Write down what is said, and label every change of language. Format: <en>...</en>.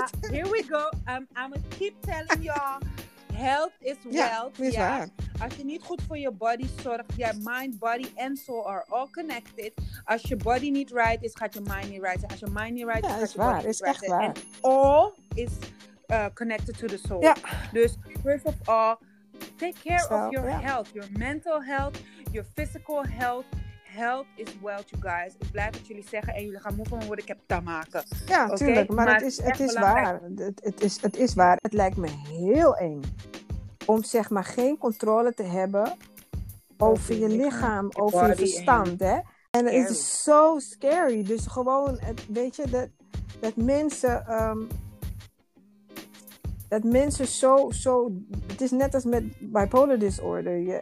<en>Here we go. I'm going to keep telling y'all. Health is wealth.</en> <nl>Ja, is waar. Als je niet goed voor je body zorgt,</nl> <en>je mind, body and soul are all connected.</en> <nl>Als je body niet right is, gaat je mind niet right zijn. Als je mind niet right is, gaat je body niet right zijn. Ja, is waar. Is echt waar.</nl> <en>All is connected to the soul.</en> <nl>Ja.</nl> <en>Dus first of all, take care of your health, your mental health, your physical health. Health is wealth, you guys.</en> <nl>Ik blijf het jullie zeggen en jullie gaan moe van me worden. Ik heb dat maken. Ja, okay? Tuurlijk. Maar het is waar. Het is waar. Het lijkt me heel eng om zeg maar geen controle te hebben over je lichaam, over je verstand, hè? En het is zo scary. Dus gewoon, weet je, dat mensen zo, het is net als met bipolar disorder.</nl>